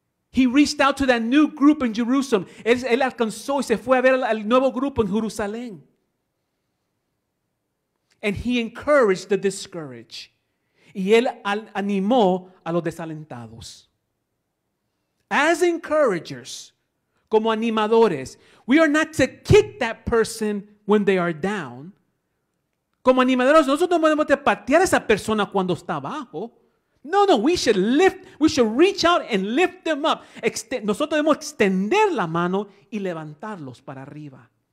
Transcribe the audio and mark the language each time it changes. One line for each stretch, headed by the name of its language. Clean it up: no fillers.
English: He reached out to that new group in Jerusalem.
Spanish: Él alcanzó y se fue a ver al nuevo grupo en Jerusalén.
English: And he encouraged the discouraged.
Spanish: Y él animó a los desalentados.
English: As encouragers,
Spanish: como animadores,
English: we are not to kick that person when they are down.
Spanish: Como animadores, nosotros no podemos patear a esa persona cuando está abajo.
English: No, no, we should reach out and lift them up.
Spanish: Nosotros debemos extender la mano y levantarlos para arriba.